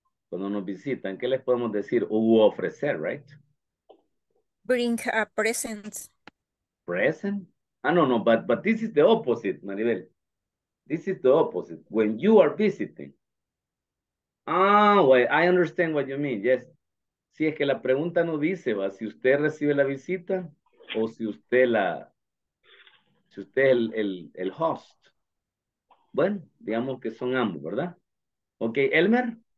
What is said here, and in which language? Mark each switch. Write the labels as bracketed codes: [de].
[es] Cuando nos visitan, ¿qué les podemos decir o ofrecer, right? [en] Bring a present. Present? Ah, no, no, but this is the opposite, Maribel. This is the opposite. When you are visiting. Ah, well, I understand what you mean, yes. [es] Si es que la pregunta no dice, va, si usted recibe la visita o si usted la... Si usted es el host. Bueno, digamos que son ambos, ¿verdad? Ok, Elmer.